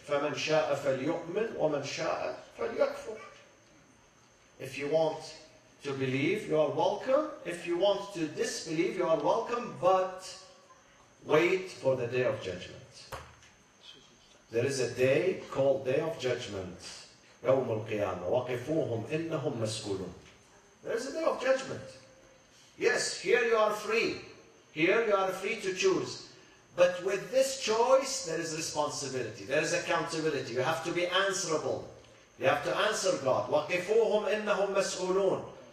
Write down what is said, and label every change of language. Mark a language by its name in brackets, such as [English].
[Arabic] فَمَنْ شَاءَ فَلْيُؤْمِنْ وَمَنْ شَاءَ فَلْيَكْفُرْ. [English] If you want to believe, you are welcome. If you want to disbelieve, you are welcome. But wait for the day of judgment. There is a day called Day of Judgment. [Arabic] يوم القيامة وقفوهم إنهم مسؤولون. [English] There is a day of judgment. Yes, here you are free. Here you are free to choose. But with this choice, there is responsibility. There is accountability. You have to be answerable. You have to answer God. [Arabic] وَقِفُوهُمْ إِنَّهُمْ مَسْئُولُونَ.